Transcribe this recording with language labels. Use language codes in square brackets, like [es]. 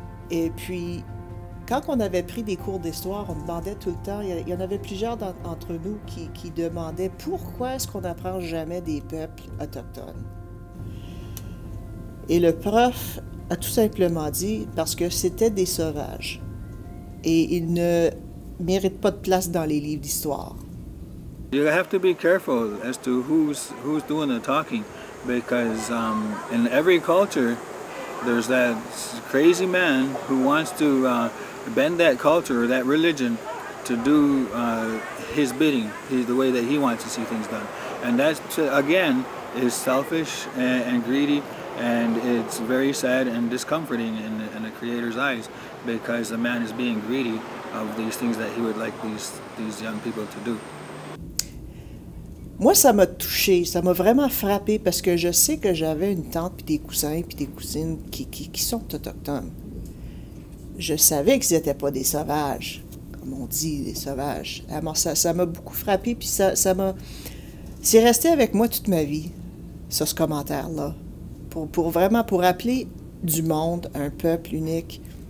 [fr] Et puis, quand on avait pris des cours d'histoire, on demandait tout le temps, il y en avait plusieurs entre nous qui demandaient pourquoi est-ce qu'on n'apprend jamais des peuples autochtones? Et le prof a tout simplement dit « parce que c'était des sauvages et ils ne méritent pas de place dans les livres d'histoire. » [en] You have to be careful as to who's doing the talking, because in every culture, there's that crazy man who wants to bend that culture or that religion to do his bidding, the way that he wants to see things done. And that, again, is selfish and greedy. And it's very sad and discomforting in the Creator's eyes, because the man is being greedy of these things that he would like these young people to do. [fr] Moi, ça m'a touché, ça m'a vraiment frappé, parce que je sais que j'avais une tante puis des cousins puis des cousines qui sont autochtones. Je savais qu'ils n'étaient pas des sauvages, comme on dit, des sauvages. Alors ça m'a beaucoup frappé, puis ça m'a, c'est resté avec moi toute ma vie, ça, ce commentaire là. Pour vraiment, pour appeler du monde un peuple unique,